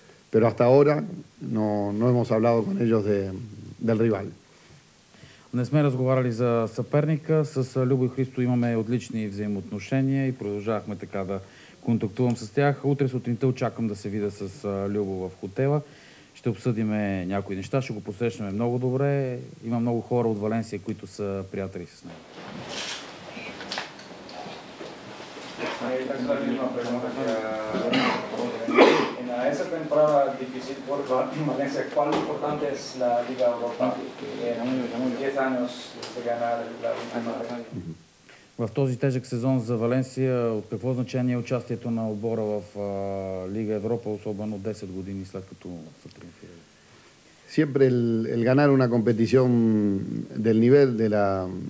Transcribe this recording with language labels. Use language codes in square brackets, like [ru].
[es] Pero hasta ahora no hemos hablado con ellos del rival. [bg] Не сме разговаряли за съперника. С Любо и Христо имаме отлични взаимоотношения и продължавахме така да контактувам с тях. Утре сутринта очаквам да се видя с Любо в хотела. Ще обсъдиме някои неща, ще го посрещнем много добре. Има много хора от Валенсия, които са приятели с него. [es] Esa temporada difícil por Valencia, ¿cuál importante es la Liga Europa? En 10 años de ganar la [bg] Liga. В този тежък сезон за Валенсия, от какво значение е участието на отбора в Лига Европа, особено 10 години след като са триумфирали? [es] Siempre el ganar una competición del nivel de la